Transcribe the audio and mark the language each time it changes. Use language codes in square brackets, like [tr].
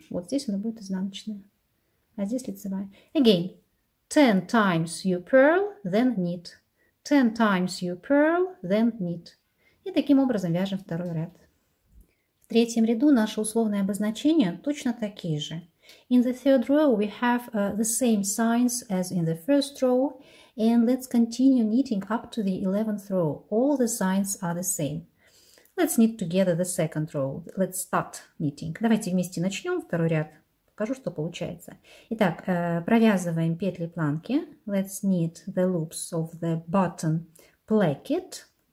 [ru] Вот здесь она будет изнаночная. А здесь лицевая. [en] Again. 10 times you purl, then knit. 10 times you purl, then knit. [ru] И таким образом вяжем второй ряд. В третьем ряду наши условные обозначения точно такие же. [en] In the third row we have the same signs as in the first row. And let's continue knitting up to the 11th row. All the signs are the same. Let's knit together the second row. Let's start knitting. [ru] Давайте вместе начнем второй ряд. Покажу, что получается. Итак, провязываем петли планки. [en] Let's knit the loops of the button placket.